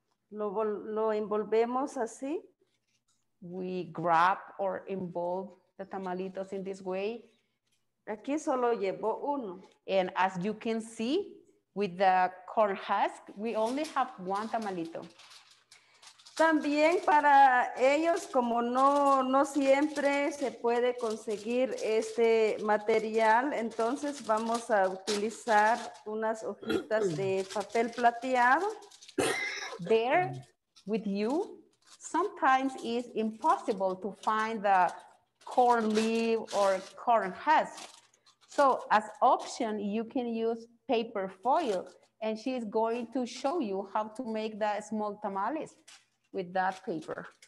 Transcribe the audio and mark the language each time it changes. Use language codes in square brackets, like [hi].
[es] Lo envolvemos así. [en] We grab or involve the tamalitos in this way. [es] Aquí solo llevo uno. [en] And as you can see, with the corn husk, we only have one tamalito. [es] También para ellos, como no siempre se puede conseguir este material, entonces vamos a utilizar unas hojitas de papel plateado. [en] There, with you, sometimes it's impossible to find the corn leaf or corn husk. So as option, you can use paper foil, and she is going to show you how to make the small tamales with that paper.